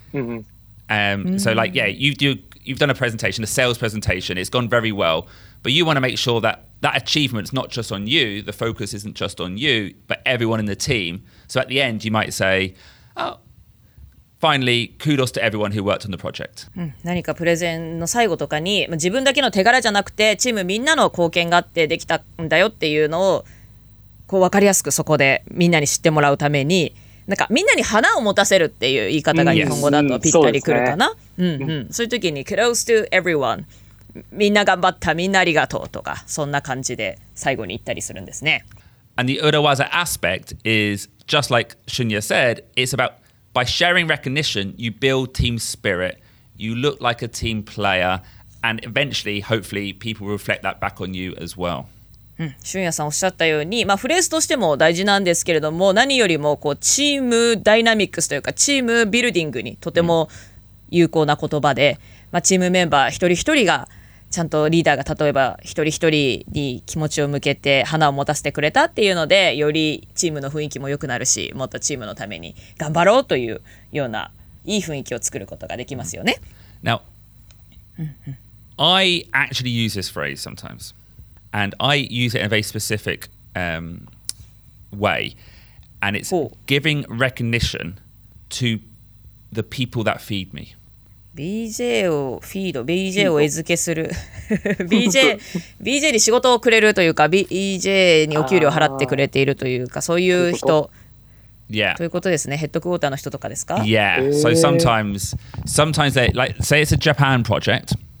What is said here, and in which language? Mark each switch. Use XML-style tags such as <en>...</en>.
<en>So like, yeah, you've done a presentation, a sales presentation, it's gone very well. But you want to make sure that that achievement is not just on you, the focus isn't just on you, but everyone in the team. So at the end, you might say, oh, finally, kudos to everyone who worked on the project.</en> <ja>何かプレゼンの最後とかに、自分だけの手柄じゃなくて、チームみんなの貢献があってできたんだよっていうのを、こう分かりやすくそこでみんなに知ってもらうために、なんかみんなに花を持たせるっていう言い方が日本語だとぴったりくるかな。そういう時に、</ja> <en>kudos to everyone.</en> <ja>みんな頑張った、みんなありがとうとか、そんな感じで最後に言ったりするんですね。</ja> <en>And the urawaza aspect is, just like Shunya said, it's about by sharing recognition, you build team spirit, you look like a team player, and eventually, hopefully, people reflect that back on you as well.</en> <ja>Shunya さんおっしゃったように、まあ、フレーズとしても大事なんですけれども、何よりもこうチームダイナミックスというか、チームビルディングにとても有効な言葉で、まあ、チームメンバー一人一人がちゃんとリーダーが例えば一人一人に気持ちを向けて花を持たせてくれたっていうのでよりチームの雰囲気も良くなるしもっとチームのために頑張ろうというようないい雰囲気を作ることができますよね。</ja> <en>Now I actually use this phrase sometimes and I use it in a very specific way and it's giving recognition to the people that feed me</en> <ja>BJ をフィード、BJ を餌付けする。 BJ、BJ に仕事をくれるというか、BJ にお給料を払ってくれているというか、そういう人。</ja> <en>Yeah.</en> <ja>ということですね。ヘッドクォーターの人とかですか?</ja> <en>Yeah. So sometimes they, like, say it's a Japan project.</en>